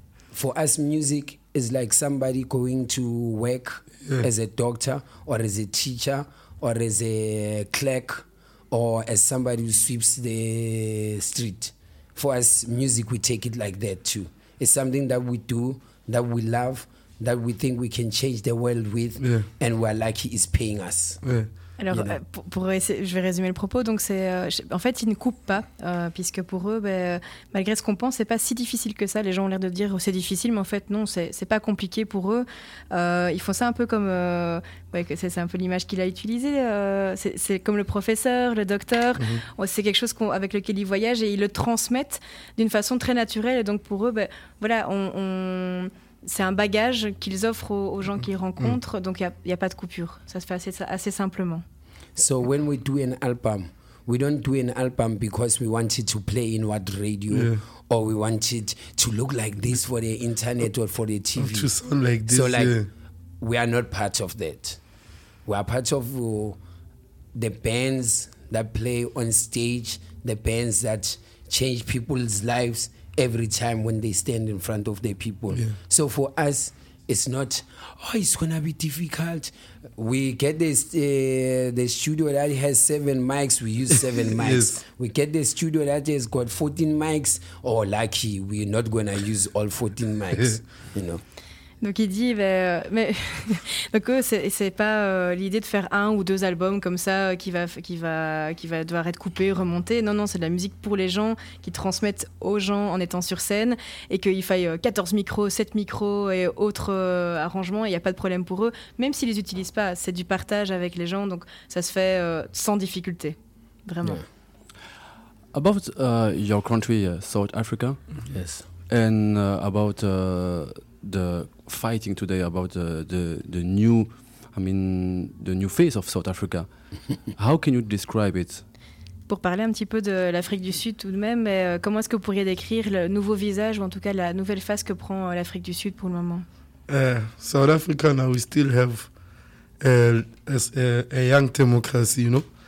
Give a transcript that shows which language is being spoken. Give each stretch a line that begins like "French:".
English: For us, music is like somebody going to work as a doctor or as a teacher or as a clerk. Or as somebody who sweeps the street. For us, music, we take it like that too. It's something that we do, that we love, that we think we can change the world with, and we're lucky it's paying us. Yeah.
French: Alors, je vais résumer le propos. Donc, en fait, ils ne coupent pas, puisque pour eux, malgré ce qu'on pense, c'est pas si difficile que ça. Les gens ont l'air de dire c'est difficile, mais en fait, non, c'est pas compliqué pour eux. Ils font ça un peu comme... c'est un peu l'image qu'il a utilisée. C'est comme le professeur, le docteur. Mmh. C'est quelque chose avec lequel ils voyagent et ils le transmettent d'une façon très naturelle. Et donc, pour eux, c'est un bagage qu'ils offrent aux gens qu'ils rencontrent. Mmh. Donc, il n'y a pas de coupure. Ça se fait assez simplement.
English: So, when we do an album, we don't do an album because we want it to play in what radio or we want it to look like this for the internet or for the TV. To sound like this, We are not part of that. We are part of the bands that play on stage, the bands that change people's lives every time when they stand in front of their people. Yeah. So for us, it's not, it's going to be difficult. We get this the studio that has 7 mics, we use 7 mics. Yes. We get the studio that has got 14 mics, lucky, we're not going to use all 14 mics, you know.
French: Donc il dit, donc c'est pas l'idée de faire un ou deux albums comme ça qui va devoir être coupé, remonté. Non, non, c'est de la musique pour les gens, qui transmettent aux gens en étant sur scène, et qu'il faille 14 micros, 7 micros et autres arrangements, il n'y a pas de problème pour eux, même s'ils ne les utilisent pas. C'est du partage avec les gens, donc ça se fait sans difficulté, vraiment.
English: Yeah. About your country, South Africa. Yes. And about the fighting today about the new face of South Africa. How can you describe it?
French: Pour parler un petit peu de l'Afrique du Sud tout de même, mais comment est-ce que vous pourriez décrire le nouveau visage ou en tout cas la nouvelle face que prend l'Afrique du Sud pour le moment?
English: South Africa now we still have a young democracy, you know.